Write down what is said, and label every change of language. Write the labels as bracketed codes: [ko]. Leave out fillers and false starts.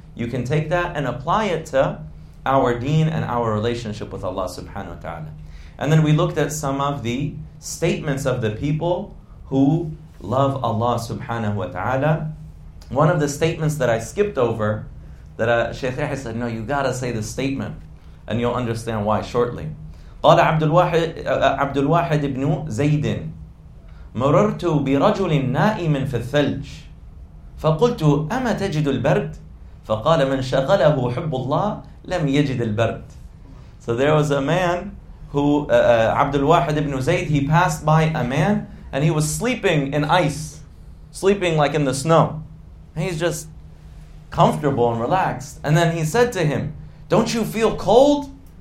[en] You can take that and apply it to our deen and our relationship with Allah subhanahu wa ta'ala. And then we looked at some of the statements of the people who love Allah subhanahu wa ta'ala. One of the statements that I skipped over, that Shaykh Yahya said, no, you gotta say the statement, and you'll understand why shortly. [ar] قال عبد الواحد بن زيد مررت برجل نائم في الثلج فقلت أما تجد البرد فقال من شغله حب الله لم يجد البرد. [en] So there was a man who عبد الواحد بن زيد, he passed by a man and he was sleeping in ice, sleeping like in the snow, and he's just comfortable and relaxed, and then he said to him, don't you feel cold?